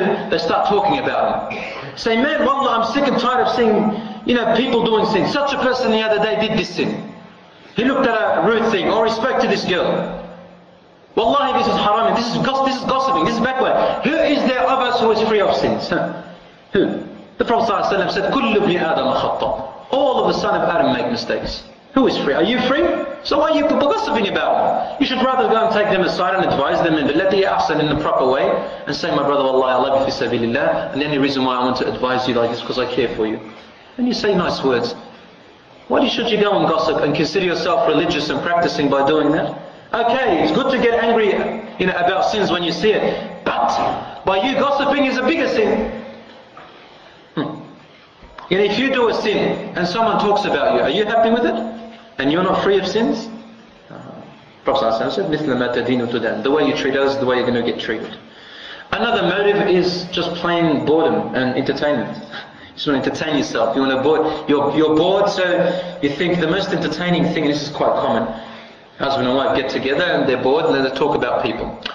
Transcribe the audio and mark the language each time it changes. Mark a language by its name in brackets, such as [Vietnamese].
[English] They start talking about him. Say, man, wallah, I'm sick and tired of seeing, you know, people doing sin. Such a person the other day did this sin. He looked at a rude thing, or he spoke to this girl. Wallahi, this is haram, this is gossiping, this is backward. Who is there of us who is free of sins? Who? The Prophet ﷺ said, [Arabic] كُلُّ بْنِ آدَمَ خَطَّى. [English] All of the son of Adam make mistakes. Who is free? Are you free? So why are you gossiping about them? You should rather go and take them aside and advise them and let the ahsan in the proper way and say, my brother, wallahi, I love you fi sabilillah, and the only reason why I want to advise you like this is because I care for you. And you say nice words. Why should you go and gossip and consider yourself religious and practicing by doing that? Okay, it's good to get angry, you know, about sins when you see it, but by you gossiping is a bigger sin. You know, if you do a sin and someone talks about you, are you happy with it? And you're not free of sins? Prophet said, [Arabic] مِثْلَ مَا تَدِينُ تُدَانُ. [English] The way you treat us, the way you're going to get treated. Another motive is just plain boredom and entertainment. You just want to entertain yourself. You want to bored. You're bored, so you think the most entertaining thing, and this is quite common, husband and wife get together and they're bored and then they talk about people.